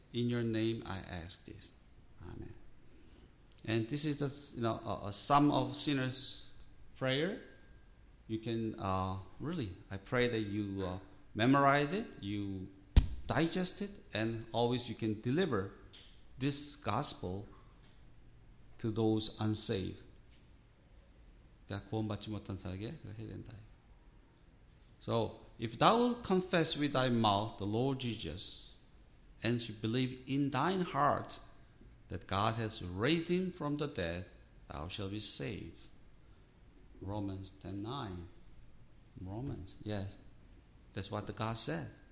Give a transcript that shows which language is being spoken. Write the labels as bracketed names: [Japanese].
[English] In your name I ask this. Amen. And this is the, you know, a sum of sinners' prayer. You can really, I pray that you memorize it. You digest it, and always you can deliver this gospel to those unsaved. [Korean] 내가 구원받지 못한 사람에게 해야 된다. [English] So, if thou wilt confess with thy mouth the Lord Jesus, and you believe in thine heart that God has raised him from the dead, thou shalt be saved. Romans 10:9. Romans, yes. That's what the God said.